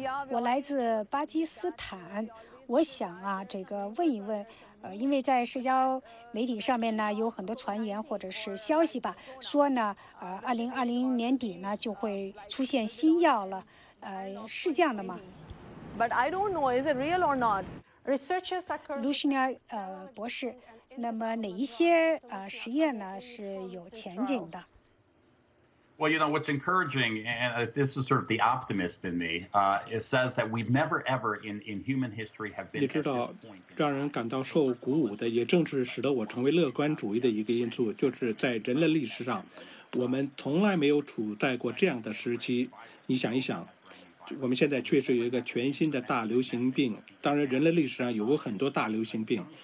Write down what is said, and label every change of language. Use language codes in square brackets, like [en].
[zh] 我来自巴基斯坦，我想啊，这个问一问，因为在社交媒体上面呢，有很多传言或者是消息吧，说呢，2020年底呢就会出现新药了，是这样的吗 [en] ？But I don't know, is it real or not? [zh] Lucina 博士，那么哪一些实验呢是有前景的 [en] ？Well, you know what's encouraging, and this is sort of the optimist in me. It says that we've never ever in human history have been. [zh] 你知道，让人感到受鼓舞的，也正是使得我成为乐观主义的一个因素，就是在人类历史上，我们从来没有处在过这样的时期。你想一想。我们现在确实有一个全新的大流行病，当然人类历史上有过很多大流行病。